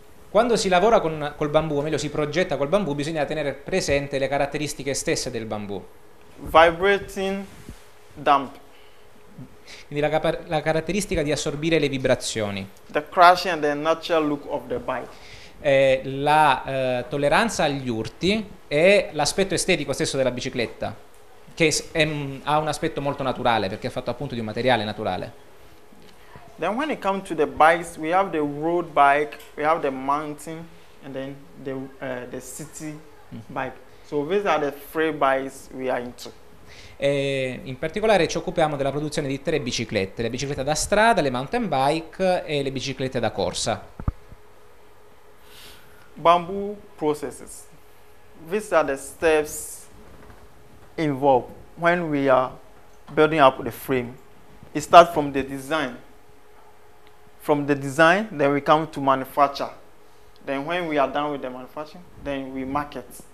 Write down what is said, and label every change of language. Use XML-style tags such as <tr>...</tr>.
<it>Quando si lavora col bambù, o meglio si progetta col bambù, bisogna tenere presente le caratteristiche stesse del bambù.</it> <en>Vibrating damp.</en> <it>Quindi la caratteristica di assorbire le vibrazioni.</it> <en>The crushing and the natural look of the bike.</en> <it>La tolleranza agli urti e l'aspetto estetico stesso della bicicletta, che ha un aspetto molto naturale perché è fatto appunto di un materiale naturale.</it> <en>Then when it comes to the bikes, we have the road bike, we have the mountain, and then the city bike. So these are the three bikes we are into.</en> <it>In particolare ci occupiamo della produzione di tre biciclette: le biciclette da strada, le mountain bike e le biciclette da corsa.</it> <en>Bamboo processes. These are the steps involved when we are building up the frame. It starts from the design. From the design, then we come to manufacture. Then when we are done with the manufacturing, then we market.</en>